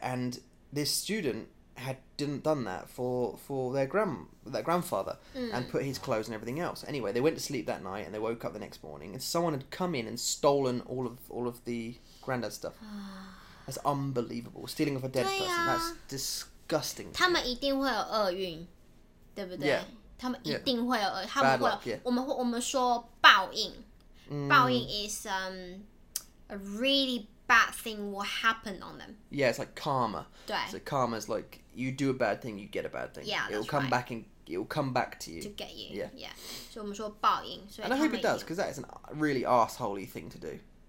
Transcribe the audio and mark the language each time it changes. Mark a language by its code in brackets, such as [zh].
[en] And this student hadn't done that for their grandfather and put his clothes and everything else. Anyway, they went to sleep that night and they woke up the next morning and someone had come in and stolen all of the granddad's stuff. That's unbelievable. Stealing off a dead person. That's disgusting. [zh] 他们一定会有厄运, 对不对? [en] Yeah. [zh] 他们一定会有，我们说报应。 [en] 报应 is a really bad thing will happen on them. Yeah, it's like karma. [zh] 对。So [en] karma is like you do a bad thing, you get a bad thing. Yeah, it'll come right. back and it'll come back to you. To get you. Yeah. [zh] 所以我们说报应。 [en] And I hope it does, because that is a really arsehole-y thing to do.